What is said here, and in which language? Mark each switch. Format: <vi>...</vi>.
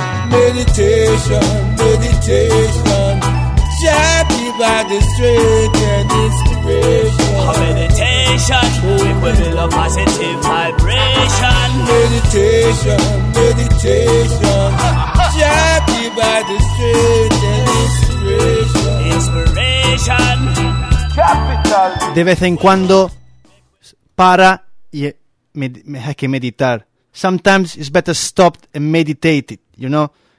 <en>Meditation, meditation, shall be by the strength and inspiration. Meditation, we will build a positive vibration. Meditation, meditation, shall be by the strength and inspiration. Inspiration, capital.</en> <es>De vez en cuando, para y hay que meditar.</es> <en>Sometimes it's better stopped and meditated, you know?</en>